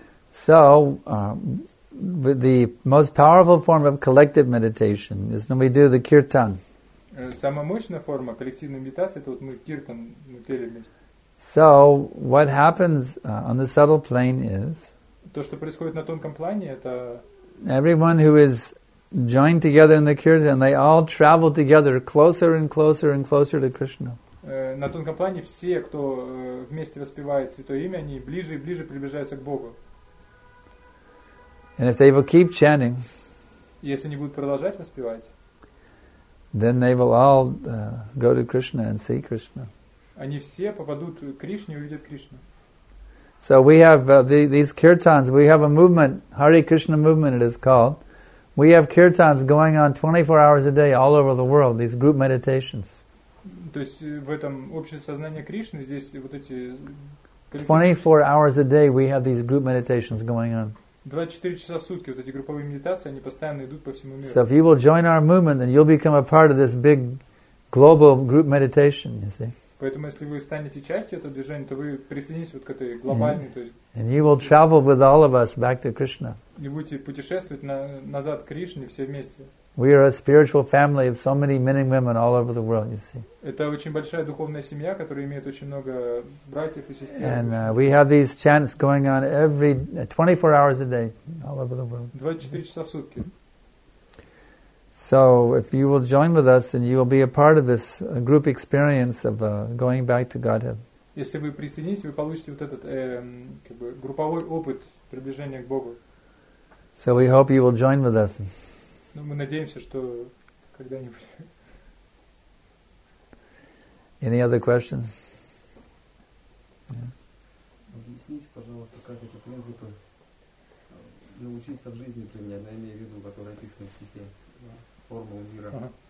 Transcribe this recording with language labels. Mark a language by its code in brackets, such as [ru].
[en] So, the most powerful form of collective meditation is when we do the kirtan. [ru] Самая мощная форма коллективной медитации — это вот мы киртан, мы пели вместе. [en] So what happens on the subtle plane is [ru] то, что происходит на тонком плане, это [en] everyone who is joined together in the kirtan, they all travel together closer and closer and closer to Krishna. [ru] На тонком плане все, кто вместе воспевает святое имя, они ближе и ближе приближаются к Богу. [en] And if they will keep chanting, [ru] если они будут продолжать воспевать, [en] then they will all go to Krishna and see Krishna. [ru] Они все попадут к Кришне и увидят Кришну. [en] So we have these kirtans, we have a movement, Hare Krishna movement it is called. We have kirtans going on 24 hours a day all over the world, these group meditations. [ru] То есть в этом обществе сознания Кришны здесь вот эти [en] 24 hours a day we have these group meditations going on. [ru] 24 часа в сутки вот эти групповые медитации, они постоянно идут по всему миру. [en] So if you will join our movement, then you'll become a part of this big global group meditation, you see. [ru] Поэтому, если вы станете частью этого движения, то вы присоединитесь вот к этой глобальной. То есть, [en] and you will travel with all of us back to Krishna. [ru] И будете путешествовать назад к Кришне все вместе. [en] We are a spiritual family of so many men and women all over the world, you see. [ru] Это очень большая духовная семья, которая имеет очень много братьев и сестер. [en] And we have these chants going on every 24 hours a day all over the world. [ru] 24 часа в сутки. [en] So, if you will join with us, then you will be a part of this group experience of going back to Godhead. [ru] Если вы присоединитесь, вы получите вот этот как бы групповой опыт приближения к Богу. [en] So we hope you will join with us. [ru] Ну, мы надеемся, что когда-нибудь. [en] Any other questions? [ru] Объясните, пожалуйста, как эти принципы научиться в жизни применять. Я имею в виду, которые описаны в стихе. Форму мира, uh-huh.